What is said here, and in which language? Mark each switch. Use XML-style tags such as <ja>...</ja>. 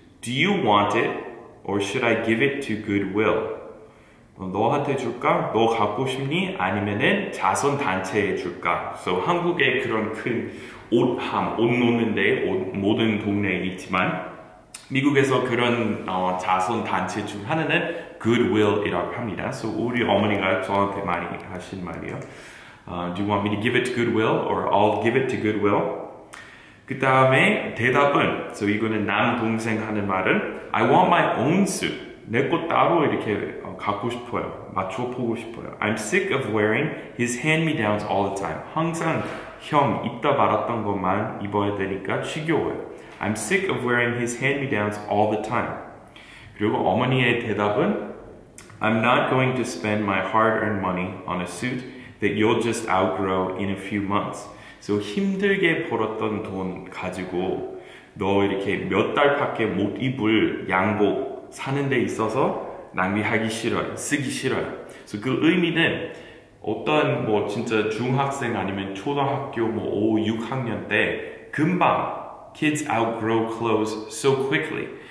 <en>Do you want it or should I give it to Goodwill?</en> <ko>너한테 줄까? 너 갖고 싶니? 아니면은 자선단체에 줄까? So 한국에 그런 큰 옷 놓는데 모든 동네에 있지만 미국에서 그런 자선단체 중 하나는 Goodwill이라고 합니다. So 우리 어머니가 저한테 많이 하신 말이에요.</ko> <en>Do you want me to give it to Goodwill or I'll give it to Goodwill?</en> <ko>그 다음에 대답은 So 이거는 남동생 하는 말은</ko> <en>I want my own suit.</en> <ko>내 것 따로 이렇게 갖고 싶어요. 맞춰 보고 싶어요.</ko> <en>I'm sick of wearing his hand-me-downs all the time.</en> <ko>항상 형 입다 말았던 것만 입어야 되니까 지겨워요.</ko> <en>I'm sick of wearing his hand-me-downs all the time.</en> <ko>그리고 어머니의 대답은</ko> <en>I'm not going to spend my hard-earned money on a suit that you'll just outgrow in a few months.</en> <ko>So 힘들게 벌었던 돈 가지고 너 이렇게 몇 달밖에 못 입을 양복 사는 데 있어서 낭비하기 싫어요. 쓰기 싫어요. So 그 의미는 어떤 뭐 진짜 중학생 아니면 초등학교 뭐 5, 6학년 때 금방</ko> <en>kids outgrow clothes so quickly.</en>